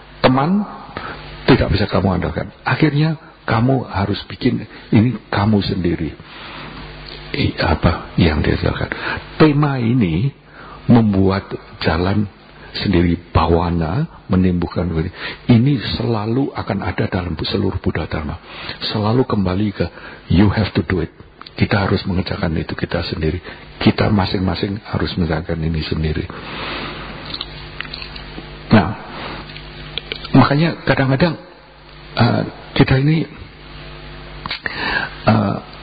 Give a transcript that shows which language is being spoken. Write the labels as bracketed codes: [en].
[id] Teman tidak bisa kamu andalkan. Akhirnya kamu harus bikin ini kamu sendiri. Yang dihasilkan. Tema ini membuat jalan sendiri, bhavana, menimbulkan diri. Ini selalu akan ada dalam seluruh Buddha Dharma. Selalu kembali ke [en] you have to do it. [id] Kita harus mengerjakan itu kita sendiri. Kita masing-masing harus mengerjakan ini sendiri. Nah, makanya kadang-kadang kita ini uh,